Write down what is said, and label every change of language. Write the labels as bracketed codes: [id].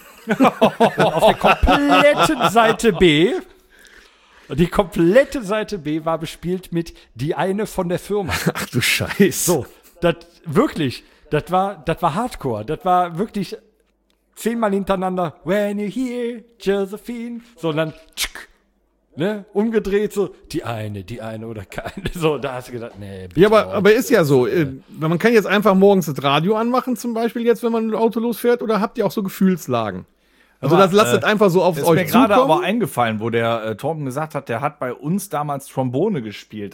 [de] Auf der kompletten Seite B. Die komplette Seite B war bespielt mit die eine von der Firma. Ach du Scheiß. So, das war Hardcore. Das war wirklich 10-mal hintereinander. [en] When you hear Josephine. [de] So, und dann tschk, ne, umgedreht so. Die eine oder keine. So, da hast du gedacht, nee. Bitte, ja, aber ist ja so. Man kann jetzt einfach morgens das Radio anmachen, zum Beispiel jetzt, wenn man ein Auto losfährt. Oder habt ihr auch so Gefühlslagen? Also das lasst einfach so auf euch zukommen. Ist mir gerade aber eingefallen, wo der Torben gesagt hat, der hat bei uns damals Trombone gespielt.